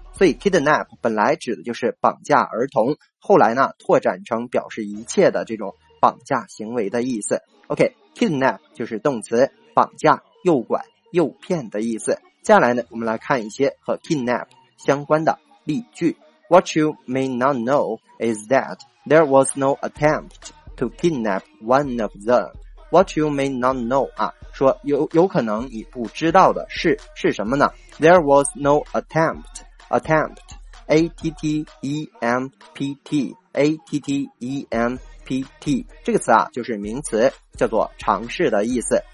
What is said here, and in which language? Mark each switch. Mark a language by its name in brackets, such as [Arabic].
[Chinese] 所以 kidnap 本来指的就是绑架儿童，后来呢拓展成表示一切的这种绑架行为的意思。 OK, kidnap 就是动词绑架、诱拐、诱骗的意思。接下来呢我们来看一些和 kidnap 相关的例句。 [English] What you may not know is that there was no attempt to kidnap one of them. What you may not know [Chinese] 啊，说有可能你不知道的是什么呢？ [English] There was no attempt [Chinese] A-T-T-E-M-P-T A-T-T-E-M-P-T 这个词啊就是名词，叫做尝试的意思。